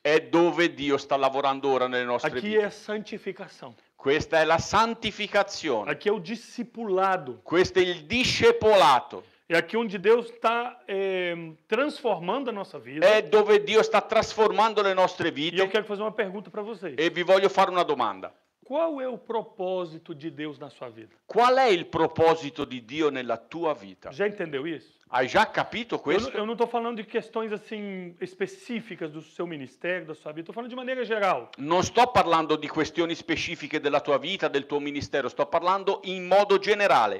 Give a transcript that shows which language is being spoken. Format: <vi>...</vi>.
<it>È dove Dio sta lavorando ora nelle nostre</it> <pt>aqui</pt> <it>vite.</it> <pt>È santificação.</pt> <it>Questa è la santificazione.</it> <pt>Aqui é o discipulado.</pt> <it>Questo è il discepolato.</it> <pt>É aqui onde Deus está transformando a nossa vida.</pt> <it>È dove Dio sta trasformando le nostre vite.</it> <pt>E eu quero fazer uma pergunta para vocês.</pt> <it>E vi voglio fare una domanda.</it> <pt>Qual é o propósito de Deus na sua vida? Qual é o propósito de</pt> <it>Dio nella tua vida?</it> <pt>Já entendeu isso?</pt> <it>Hai già capito questo?</it> <pt>Eu não estou falando de questões assim específicas do seu ministério, da sua vida. Estou falando de maneira geral.</pt> <it>Non sto parlando di questioni specifiche della tua vita, del tuo ministero. Sto parlando in modo generale.</it>